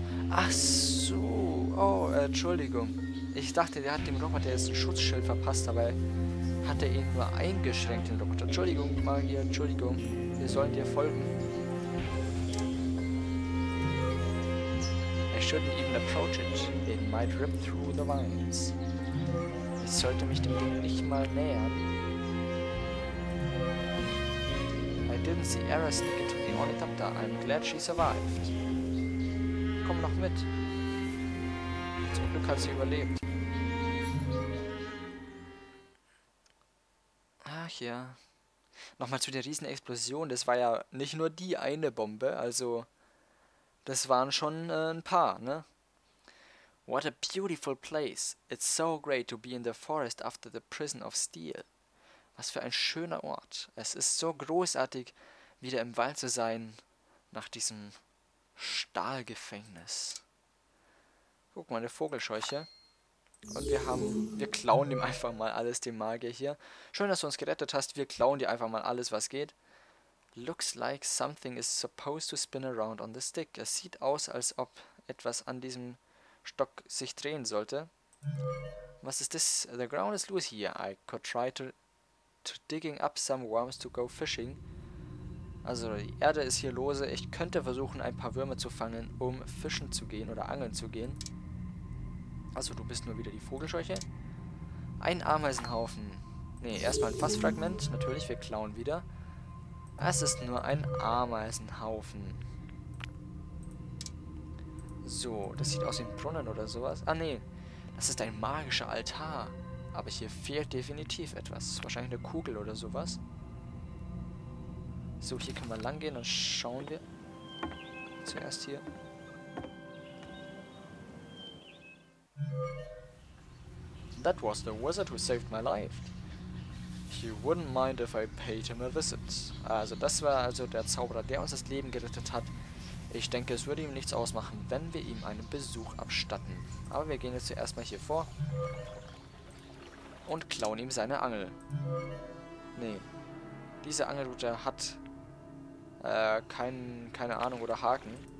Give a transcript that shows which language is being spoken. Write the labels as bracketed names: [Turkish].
[German] Ach so. Oh, Entschuldigung. Ich dachte, der hat dem Roboter jetzt ein Schutzschild verpasst, dabei hat er ihn nur eingeschränkt, den Roboter. Entschuldigung, Magier, Entschuldigung. Wir sollen dir folgen. [English] I shouldn't even approach it. It might rip through the vines. [German] Ich sollte mich dem Ding nicht mal nähern. [English] Didn't see Aaron sneak into the ornithopter. I'm glad she survived. [German] Komm noch mit. Zum Glück hat sie überlebt. Ach ja. Nochmal zu der riesen Explosion. Das war ja nicht nur die eine Bombe. Also, das waren schon ein paar, ne? [English] What a beautiful place. It's so great to be in the forest after the prison of steel. [German] Was für ein schöner Ort. Es ist so großartig, wieder im Wald zu sein, nach diesem Stahlgefängnis. Guck mal, eine Vogelscheuche. Und wir klauen dem einfach mal alles, dem Magier hier. Schön, dass du uns gerettet hast. Wir klauen dir einfach mal alles, was geht. [English] Looks like something is supposed to spin around on the stick. [German] Es sieht aus, als ob etwas an diesem Stock sich drehen sollte. Was ist das? [English] The ground is loose here. I could try to digging up some worms to go fishing. [German] Also die Erde ist hier lose. Ich könnte versuchen, ein paar Würmer zu fangen, um fischen zu gehen oder angeln zu gehen. Also du bist nur wieder die Vogelscheuche. Ein Ameisenhaufen. Ne, erstmal ein Fassfragment. Natürlich, wir klauen wieder. Es ist nur ein Ameisenhaufen. So, das sieht aus wie ein Brunnen oder sowas. Ah nee, das ist ein magischer Altar. Aber hier fehlt definitiv etwas. Wahrscheinlich eine Kugel oder sowas. So, hier können wir lang gehen, dann schauen wir zuerst hier. [English] That was the wizard who saved my life. He wouldn't mind if I paid him a visit. [German] Also das war also der Zauberer, der uns das Leben gerettet hat. Ich denke, es würde ihm nichts ausmachen, wenn wir ihm einen Besuch abstatten. Aber wir gehen jetzt zuerst mal hier vor und klauen ihm seine Angel. Nee. Diese Angelrute hat keine Ahnung oder Haken.